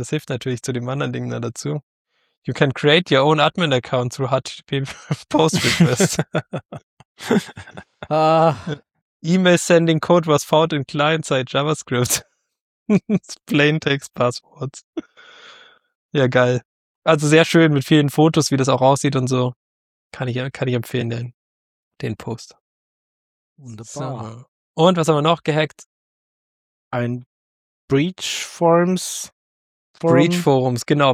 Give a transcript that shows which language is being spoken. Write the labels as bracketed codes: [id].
[de] Das hilft natürlich zu dem anderen Ding da dazu. [en] You can create your own admin account through HTTP post request. E-Mail sending code was found in client-side JavaScript. Plain text passwords. [de] Ja, geil. Also sehr schön mit vielen Fotos, wie das auch aussieht und so. Kann ich empfehlen, den Post. Wunderbar. So. Und was haben wir noch gehackt? Ein Breach Forms. Breach Forums, genau.